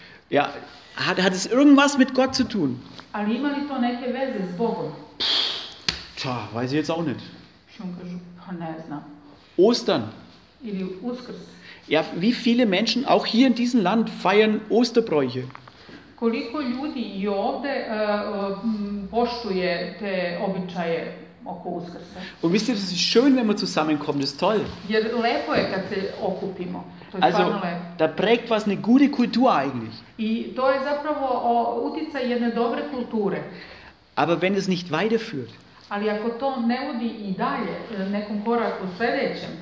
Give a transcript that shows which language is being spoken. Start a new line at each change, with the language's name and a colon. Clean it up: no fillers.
German: Ja, hat es irgendwas mit Gott zu tun?
Serbian: Ali ima li to neke veze s Bogom?
German: Tja, weiß ich jetzt auch nicht.
Serbian: Ne znam.
German: Ostern.
Serbian: Ili Uskrs.
German: Ja, wie viele Menschen auch hier in diesem Land feiern Osterbräuche?
Serbian: Koliko ljudi i ovde poštuje te običaje oko Uskrsa?
German: Und wisst ihr, es ist schön, wenn man zusammenkommt, das ist toll.
Serbian: Jer lepo je kad se okupimo.
German: Also, da prägt was eine gute Kultur eigentlich.
Serbian: I to je zapravo uticaj jedne dobre kulture.
German: Aber wenn es nicht weiterführt.
Serbian: Ali ako to ne vodi i dalje, nekom koraku sljedećem.